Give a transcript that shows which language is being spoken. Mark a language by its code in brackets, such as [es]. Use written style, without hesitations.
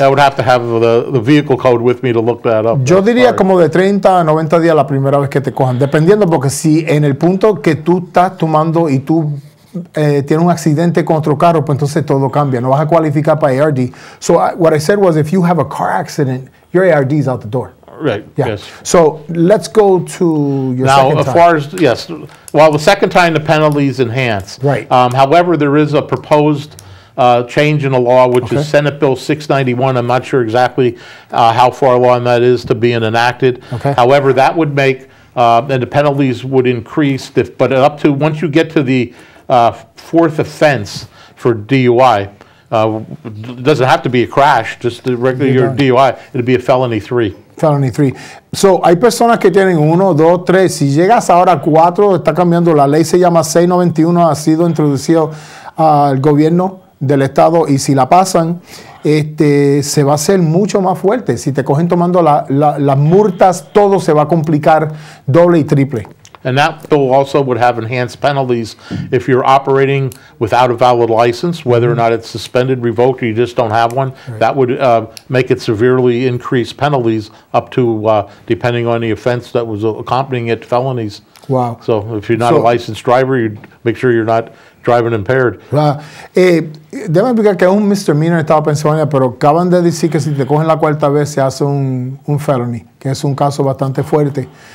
[en] I would have to have the vehicle code with me to look that up. [es] Yo diría como de 30 a 90 días la primera vez que te cojan, dependiendo, porque si en el punto que tú estás tomando y tú tienes un accidente con otro carro, pues entonces todo cambia, no vas a cualificar para ARD. [en] So what I said was, if you have a car accident, your ARD is out the door. Right, yeah. Yes. So let's go to your now, second time. Now, as far as, yes, well, the second time the penalty is enhanced. Right. However, there is a proposed change in the law, which is Senate Bill 691. I'm not sure exactly how far along that is to being enacted. Okay. However, that would make, and the penalties would increase, but up to, once you get to the fourth offense for DUI, it doesn't have to be a crash, just the regular your DUI, it'd be a felony three. [es] So, hay personas que tienen 1, 2, 3. Si llegas ahora a 4, está cambiando. La ley se llama 691. Ha sido introducido al gobierno del estado. Y si la pasan, se va a hacer mucho más fuerte. Si te cogen tomando las multas, todo se va a complicar doble y triple. [en] And that bill also would have enhanced penalties if you're operating without a valid license, whether or not it's suspended, revoked, or you just don't have one. Right. That would make it severely increase penalties up to, depending on the offense that was accompanying it, felonies. Wow. So if you're not a licensed driver, you'd make sure you're not driving impaired. [es] Déjame explicar que es un misdemeanor en el estado de Pennsylvania, pero acaban de decir que si te cogen la cuarta vez, se hace un felony, que es un caso bastante fuerte.